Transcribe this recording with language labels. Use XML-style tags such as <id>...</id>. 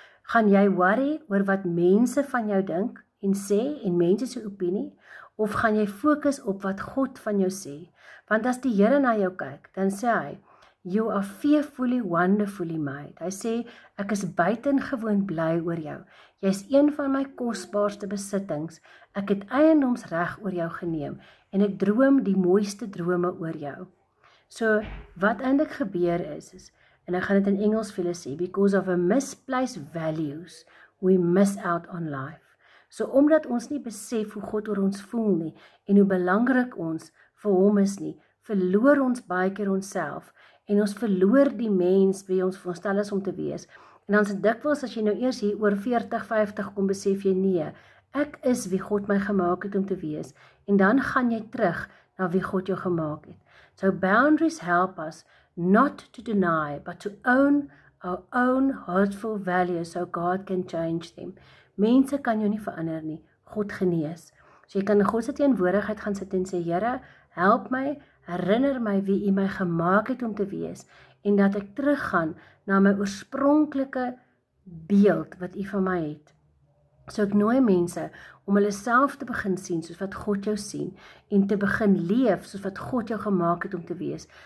<af>Gaan jy worry oor wat mense van jou dink en sê en mense se opinie? Of gaan jy fokus op wat God van jou sê? Want as die Here na jou kyk, dan sê hy,</af> <en>You are fearfully, wonderfully made.</en> <af>Hy sê, ek is buitengewoon bly oor jou. Jy is een van my kosbaarste besittings. Ek het eiendomsreg oor jou geneem en ek droom die mooiste drome oor jou. So, wat eintlik gebeur is, en ek gaan dit in Engels vir julle sê,</af> <en>because of a misplaced values, we miss out on life.</en> <af>So, omdat ons nie besef hoe God oor ons voel nie, en hoe belangrik ons vir hom is nie, verloor ons baie keer onsself, en ons verloor die mens wie ons voorstel is om te wees. En dan is dikwels, as jy nou eers hier oor 40, 50 kom, besef jy nee, ek is wie God my gemaakt het om te wees, en dan gaan jy terug na wie God jou gemaakt het.</af> <en>So boundaries help us not to deny, but to own our own hurtful values so God can change them.</en> <af>Mense kan jou nie verander nie, God genees. So jy kan in God se teenwoordigheid gaan sit en sê, Here, help my, herinner my wie jy my gemaakt het om te wees, en dat ek teruggaan na my oorspronklike beeld wat jy van my het. So ek nooi mense om hulle self te begin sien soos wat God jou sien en te begin leef soos wat God jou gemaak het om te wees.</af>